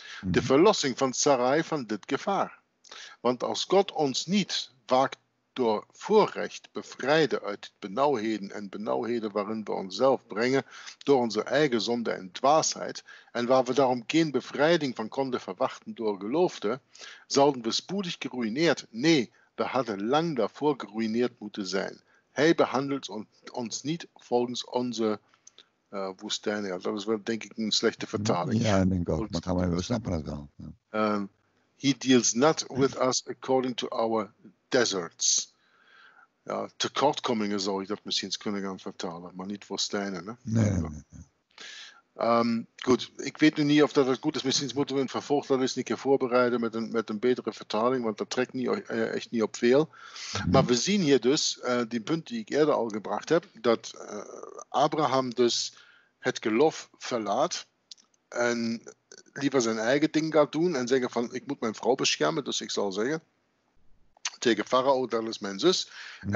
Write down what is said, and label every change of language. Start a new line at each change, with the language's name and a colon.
Dutch: De verlossing van Sarai van dit gevaar. Want als God ons niet waakt door voorrecht bevrijde uit benauwheden en benauwheden waarin we onszelf brengen door onze eigen zonde en dwaasheid en waar we daarom geen bevrijding van konden verwachten door geloofde, zouden we spoedig geruineerd. Nee, we hadden lang daarvoor geruineerd moeten zijn. Hij behandelt ons niet volgens onze woestijn. Ja, dat is wel denk ik een slechte vertaling. Ja, denk ik ook. Maar gaan we snappen dat wel. Ja.
English: He deals not with us according to our deserts.
Dutch: Ja, tekortkomingen zou ik dat misschien kunnen gaan vertalen, maar niet voor Steinen. Hè? Nee. Goed, ik weet nu niet of dat goed is. Misschien moeten we een vervolg dat eens een keer voorbereiden met een betere vertaling, want dat trekt echt niet op veel. Maar we zien hier dus, die punt die ik eerder al gebracht heb, dat Abraham dus het geloof verlaat en liever zijn eigen ding gaat doen en zeggen van ik moet mijn vrouw beschermen, dus ik zal zeggen tegen Farao, dat is mijn zus. Mm-hmm.